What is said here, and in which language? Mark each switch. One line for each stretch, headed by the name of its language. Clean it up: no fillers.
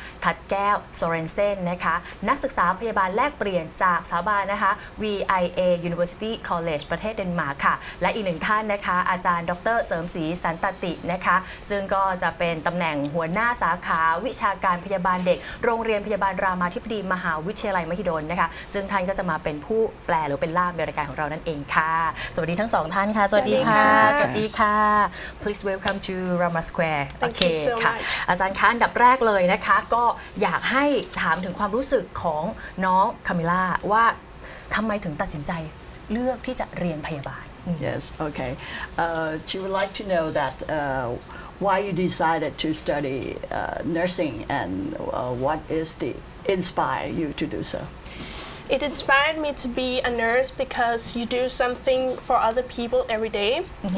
Thai: Tudkaew Sørensen นะคะนักศึกษาพยาบาลแลกเปลี่ยนจากสถาบันนะคะ VIA University College ประเทศเดนมาร์กค่ะและอีกหนึ่งท่านนะคะอาจารย์ดร.เสริมศรีสันตตินะคะซึ่งก็จะเป็นตำแหน่งหัวหน้าสาขาวิชาการพยาบาลเด็กโรงเรียนพยาบาลรามาธิบดีมหาวิทยาลัยมหิดลนะคะซึ่งท่านก็จะมาเป็นผู้แปลหรือเป็นล่ามในรายการของเรานั่นเองค่ะสวัสดีทั้งสองท่านค่ะ สวัสดีค่ะ สวัสดีค่ะ
English: Please welcome to Rama Square
Thai: โอเค ค่ ะอาจารย์คะอันดับแรกเลยนะคะก็อยากให้ถามถึงความรู้สึกของน้องคามิล่าว่าทำไมถึงตัดสินใจเลือกที่จะเรียนพยาบาล
English: Yes okay she would like to know that why you decided to study nursing and what is the inspire you to do so It inspired me to be a nurse because you do something for other people every day mm-hmm.